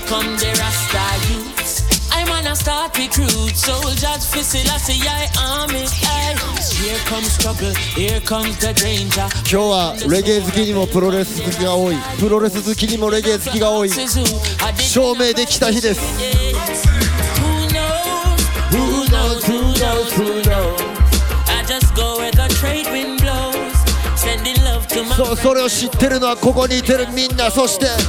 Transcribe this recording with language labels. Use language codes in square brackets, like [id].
[en] I'm gonna start recruit soldiers for Selassie army. Here comes trouble, here comes the danger. [ja] 今日はレゲエ好きにもプロレス好きが多い、プロレス好きにもレゲエ好きが多い、証明できた日です。 [en] Who knows? Who knows? Who knows? Who knows? I just go where the trade wind blows, sending love to my. [ja] それを知ってるのはここにいてるみんな、そして。